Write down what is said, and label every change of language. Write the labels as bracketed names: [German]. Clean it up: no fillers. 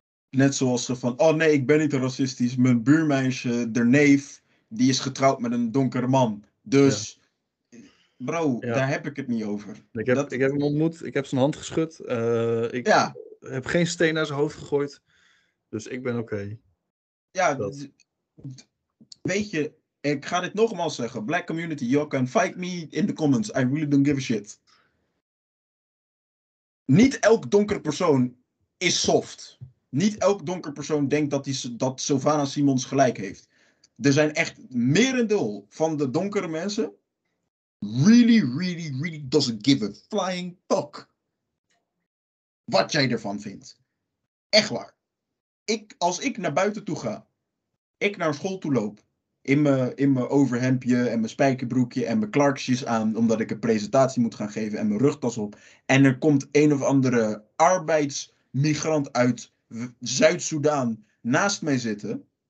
[Dutch] Net zoals ze van, oh nee, ik ben niet racistisch. Mijn buurmeisje, de neef, die is getrouwd met een donkere man. Dus, ja. Bro, ja. Daar heb ik het niet over. Ik heb hem ontmoet, ik heb zijn hand geschud. Ik heb geen steen naar zijn hoofd gegooid. Dus ik ben oké. Ja, weet je, ik ga dit nogmaals zeggen. [English] Black community, you can fight me in the comments. I really don't give a shit. [Dutch] Niet elk donker persoon is soft. Niet elk donker persoon denkt dat Sylvana Simons gelijk heeft. Er zijn echt merendeel van de donkere mensen. [English] Really, really, really doesn't give a flying fuck. [Dutch] Wat jij ervan vindt. Echt waar. Als ik naar buiten toe ga. Ik naar school toe loop. In mijn overhemdje en mijn spijkerbroekje en mijn Clarksjes aan. Omdat ik een presentatie moet gaan geven en mijn rugtas op. En er komt een of andere arbeidsmigrant uit Zuid-Soedan naast mij zitten.